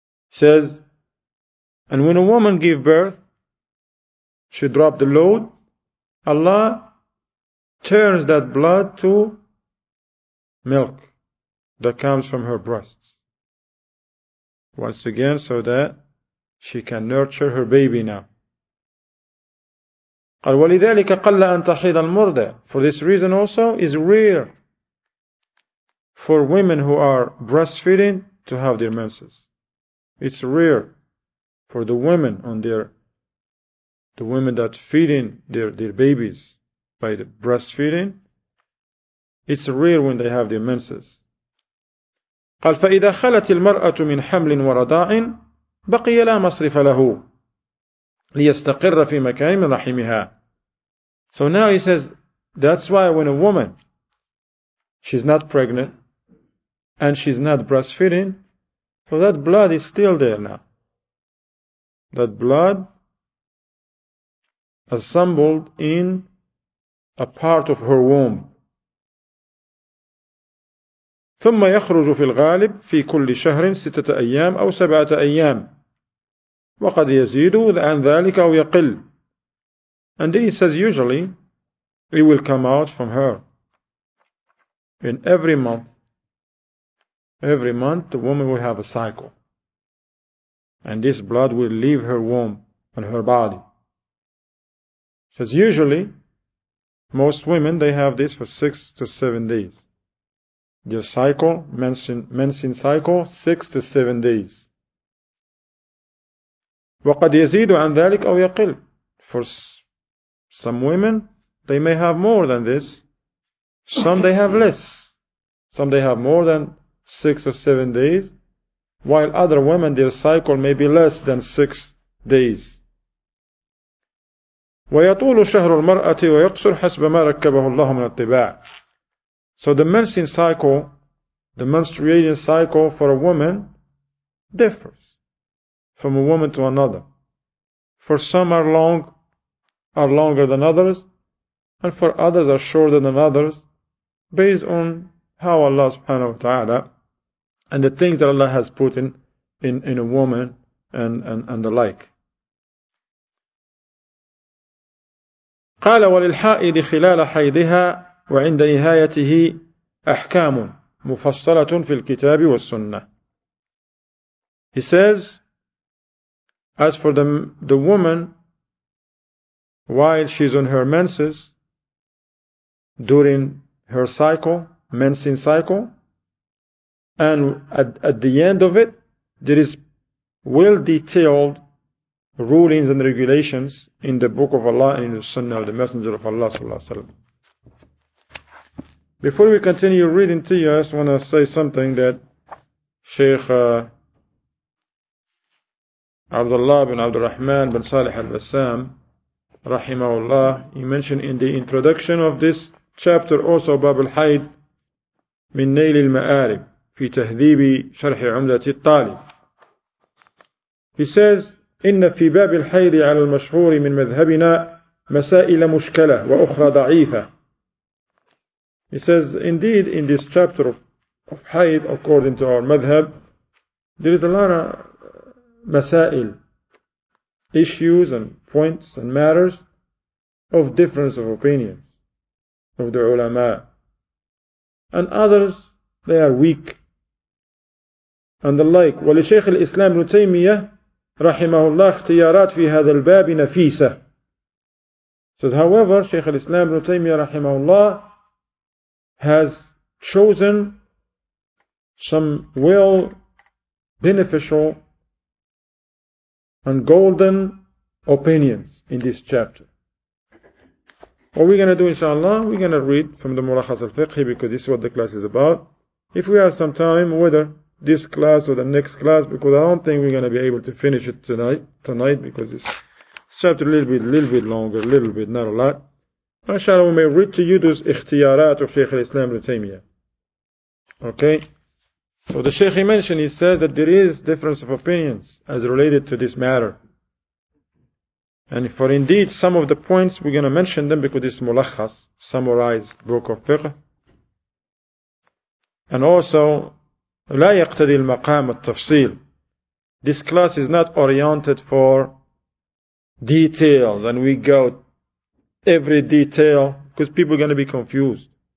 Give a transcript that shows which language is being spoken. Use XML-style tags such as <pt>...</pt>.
<en>Says, and when a woman gave birth, she dropped the load. Allah turns that blood to milk that comes from her breasts. Once again, so that she can nurture her baby now.</en> <ar>قال ولذلك قل أن تحيض المرضع.</ar> <en>For this reason also, is rare for women who are breastfeeding to have their menses. It's rare for the women on their the women that feeding their babies by the breastfeeding, it's rare when they have their menses.</en> <ar>قال فإذا خلت المرأة من حمل ورضاع بقي لا مصرف له ليستقر في مكان من رحمها.</ar> <en>So now he says, that's why when a woman, she's not pregnant and she's not breastfeeding, so that blood is still there now. That blood assembled in a part of her womb.</en> <ar>ثم يخرج في الغالب في كل شهر ستة أيام أو سبعة أيام وقد يزيد عن ذلك أو يقل.</ar> <en>And then he says, usually it will come out from her in every month. Every month the woman will have a cycle, and this blood will leave her womb and her body. Because usually, most women, they have this for 6 to 7 days. Their cycle, menstruation cycle, 6 to 7 days.</en> <ar>وَقَدْ يَزِيدُ عَنْ ذَلِكَ أَوْ يَقِلْ.</ar> <en>For some women, they may have more than this. Some they have less. Some they have more than 6 or 7 days. While other women, their cycle may be less than 6 days.</en> <ar>ويطول شهر المرأة ويقصر حسب ما ركبه الله من الطباع.</ar> <en>So the menstruation cycle, the menstruating cycle for a woman differs from a woman to another. For some are longer than others, and for others are shorter than others, based on how Allah subhanahu wa ta'ala and the things that Allah has put in a woman and the like.</en> <ar>قال وللحائض خلال حيضها وعند نهايته أحكام مفصلة في الكتاب والسنة.</ar> <en>He says, as for the woman while she's on her menses, during her cycle, menstruation cycle, and at the end of it, there is well detailed rulings and regulations in the book of Allah and in the Sunnah of the Messenger of Allah sallallahu alaihi wasallam. Before we continue reading to you, I just want to say something that Shaykh Abdullah bin Abdul Rahman bin Salih al-Bassam rahimahullah, he mentioned in the introduction of this chapter also Bab al-Hayd min Nail al-Ma'arib fi Tahdhibi Sharh Umdati al-Talib. He says,</en> <ar>إن في باب الحيض على المشهور من مذهبنا مسائل مشكلة وأخرى ضعيفة.</ar> <en>He says, indeed, in this chapter of حيض, according to our madhab, there is a lot of مسائل, issues and points and matters of difference of opinion of the ulama. And others, they are weak. And the like.</en> <ar>ولشيخ الإسلام ابن تيمية رحمه الله اختيارات في هذا الباب نفيسة.</ar> <en>Says, however, Shaykh al-Islam ibn Taymiyyah rahimahullah has chosen some well beneficial and golden opinions in this chapter. What we're going to do, inshallah, we're going to read from the Murakhas al-Fiqhi because this is what the class is about. If we have some time, whether this class or the next class, because I don't think we're going to be able to finish it tonight because it's chapter a little bit longer, a little bit, not a lot. Inshallah, we may read to you those ikhtiyarat of Shaykh al-Islam ibn Taymiyyah. Okay? So the Shaykh he mentioned, he says that there is difference of opinions as related to this matter. And for indeed, some of the points, we're going to mention them because this is mulakhas, summarized book of fiqh. And also,</en> <ar>لا يقتدي المقام التفصيل.</ar> <en>This class is not oriented for details, and we go every detail because people are going to be confused.</en>